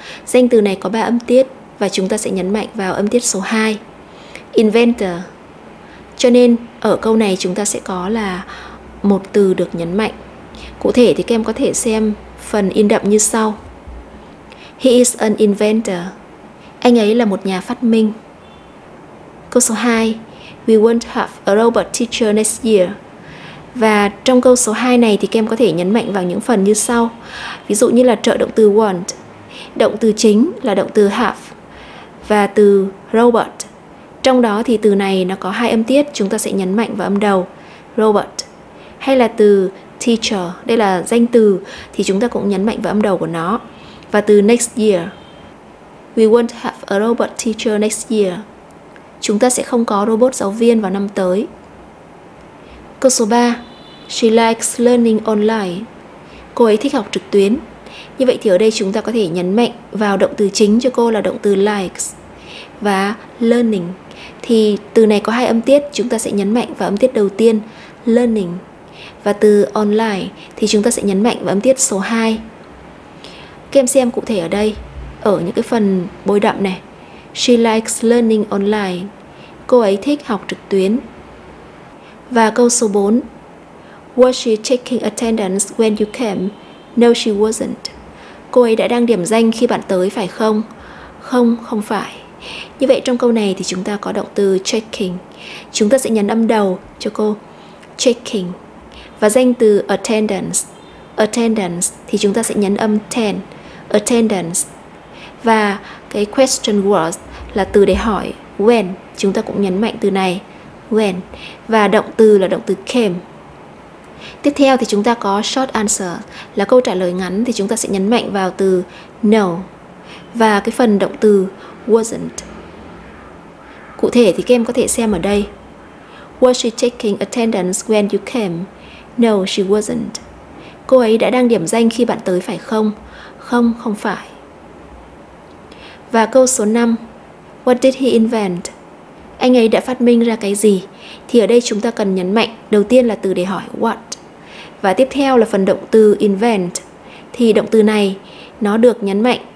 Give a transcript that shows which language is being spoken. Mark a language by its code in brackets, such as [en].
[vi] Danh từ này có 3 âm tiết và chúng ta sẽ nhấn mạnh vào âm tiết số 2. Inventor. Cho nên ở câu này chúng ta sẽ có là một từ được nhấn mạnh. Cụ thể thì các em có thể xem phần in đậm như sau. [en] He is an inventor. [vi] Anh ấy là một nhà phát minh. Câu số 2. [en] We won't have a robot teacher next year. [vi] Và trong câu số 2 này thì các em có thể nhấn mạnh vào những phần như sau. Ví dụ như là trợ động từ won't. Động từ chính là động từ have. Và từ robot. Trong đó thì từ này nó có hai âm tiết, chúng ta sẽ nhấn mạnh vào âm đầu. Robot. Hay là từ teacher, đây là danh từ, thì chúng ta cũng nhấn mạnh vào âm đầu của nó. Và từ next year. [en] We won't have a robot teacher next year. [vi] Chúng ta sẽ không có robot giáo viên vào năm tới. Câu số 3. [en] She likes learning online. [vi] Cô ấy thích học trực tuyến. Như vậy thì ở đây chúng ta có thể nhấn mạnh vào động từ chính cho cô là động từ likes. Và learning. Thì từ này có hai âm tiết, chúng ta sẽ nhấn mạnh vào âm tiết đầu tiên, learning. Và từ online thì chúng ta sẽ nhấn mạnh vào âm tiết số 2. Các em xem cụ thể ở đây. Ở những cái phần bôi đậm này. [en] She likes learning online. [vi] Cô ấy thích học trực tuyến. Và câu số 4. [en] Was she checking attendance when you came? No, she wasn't. [vi] Cô ấy đã đăng điểm danh khi bạn tới phải không? Không, không phải. Như vậy trong câu này thì chúng ta có động từ checking. Chúng ta sẽ nhấn âm đầu cho cô. Checking. Và danh từ attendance. attendance thì chúng ta sẽ nhấn âm ten, attendance. Và cái question was là từ để hỏi, when, chúng ta cũng nhấn mạnh từ này, when. Và động từ là động từ came. Tiếp theo thì chúng ta có short answer là câu trả lời ngắn, thì chúng ta sẽ nhấn mạnh vào từ no. Và cái phần động từ wasn't. Cụ thể thì các em có thể xem ở đây. [en] Was she taking attendance when you came? No, she wasn't. [vi] Cô ấy đã đang điểm danh khi bạn tới phải không? Không, không phải. Và câu số 5. [en] What did he invent? [vi] Anh ấy đã phát minh ra cái gì? Thì ở đây chúng ta cần nhấn mạnh đầu tiên là từ để hỏi what. Và tiếp theo là phần động từ invent. Thì động từ này nó được nhấn mạnh.